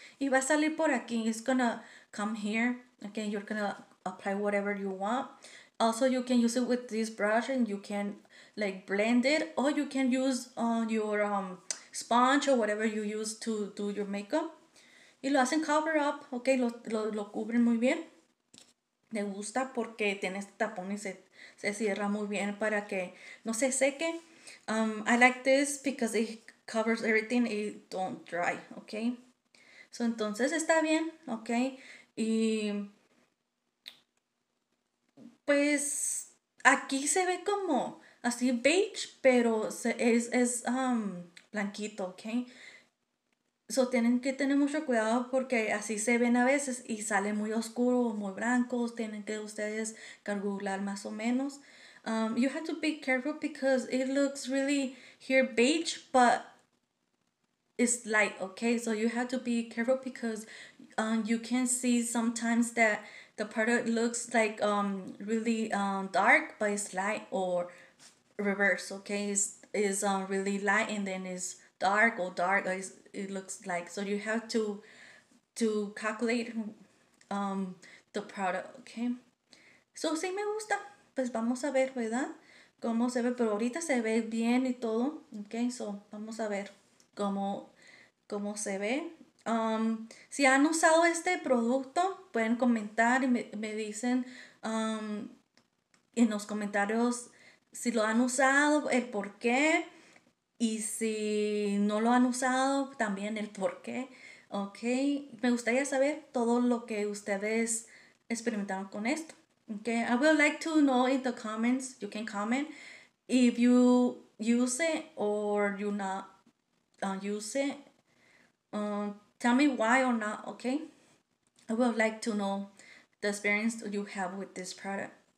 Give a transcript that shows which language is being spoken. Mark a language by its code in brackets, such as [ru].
[es] Y va a salir por aquí. [en] It's gonna come here, okay? You're gonna apply whatever you want. Also, you can use it with this brush and you can like blend it, or you can use your sponge or whatever you use to do your makeup. [es] Y lo hacen cover up, okay? Lo cubren muy bien. Me gusta porque tiene este tapón y se cierra muy bien para que no se seque. [en] I like this because it covers everything and don't dry, okay? [es] So, entonces está bien, okay? Y pues aquí se ve como así beige, pero es blanquito, okay? So, tienen que tener mucho cuidado porque así se ven a veces y sale muy oscuro, muy blanco. Tienen que ustedes cargular más o menos. [en] You have to be careful because it looks really here beige, but it's light, okay? So, you have to be careful because you can see sometimes that the product looks like really dark, but it's light, or reverse, okay? It's really light and then it's dark or dark. It looks like, so you have to calculate the product, okay? [es] So, sí me gusta. Pues vamos a ver, ¿verdad? Cómo se ve, pero ahorita se ve bien y todo, okay? So, vamos a ver cómo se ve. Si han usado este producto, pueden comentar y me dicen en los comentarios si lo han usado, el por qué. Y si no lo han usado, también el por qué. Ok, me gustaría saber todo lo que ustedes experimentaron con esto. [en] Okay, I would like to know in the comments, you can comment if you use it or you not use it. Tell me why or not, okay? I would like to know the experience that you have with this product.